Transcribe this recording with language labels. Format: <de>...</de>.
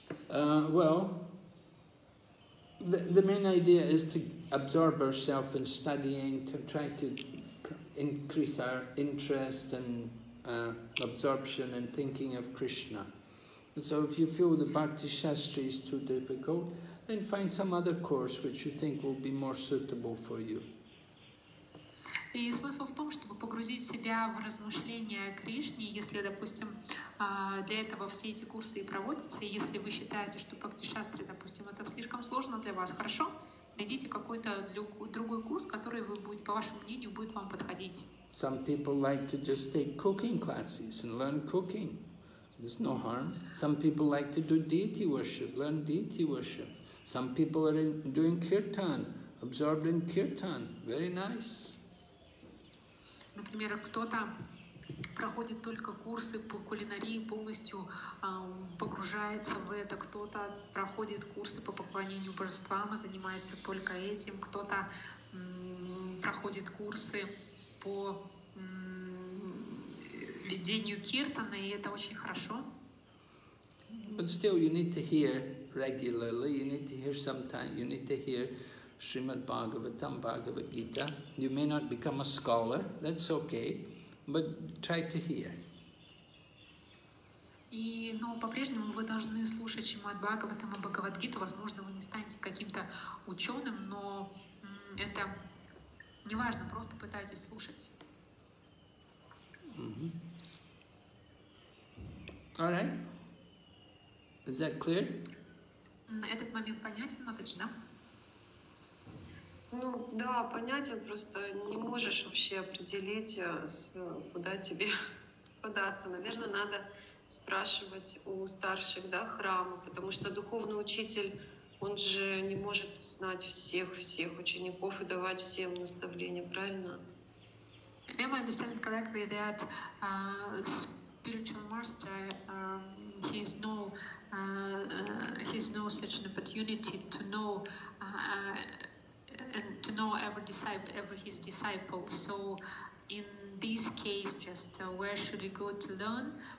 <en>Well, the main idea is to absorb ourselves in studying, to try to increase our interest and absorption and thinking of Krishna. So if you feel the Bhakti Shastri is too difficult, then find some other course which you think will be more suitable for you.</en> <ru>И смысл в том, чтобы погрузить себя в размышления о Кришне, если, допустим, для этого все эти курсы и проводятся, и если вы считаете, что Бхакти Шастри, допустим, это слишком сложно для вас, хорошо, найдите какой-то другой курс, который, вы будет, по вашему мнению, будет вам подходить.</ru> <en>Some people like to just take cooking classes and learn cooking. There's no harm. Some people like to do deity worship, learn deity worship. Some people are doing kirtan, absorbed in kirtan. Very nice.</en> <ru>Например, кто-то проходит только курсы по кулинарии, полностью погружается в это, кто-то проходит курсы по поклонению божествам и занимается только этим, кто-то проходит курсы по ведению киртана, и это очень хорошо.</ru> <en>But still, you need to hear regularly, you need to hear sometimes, you need to hear Srimad Bhagavatam, Bhagavad Gita. You may not become a scholar, that's okay, but try to hear.</en> <ru>И, но по-прежнему вы должны слушать Шримад Бхагаватам и Бхагавад Гиту. Возможно, вы не станете каким-то ученым, но это не важно, просто пытайтесь слушать.</ru> <en>All right. Is that clear?</en> <ru>Этот момент понятен, точно. Ну да, понятен, просто не можешь вообще определить, куда тебе податься. Наверное, надо спрашивать у старших, да, храма, потому что духовный учитель, он же не может знать всех учеников и давать всем наставления, правильно?</ru> <en>Am I understand correctly that spiritual master he's no such an opportunity to know and to know every his disciple. So in this case, just where should we go to learn?</en>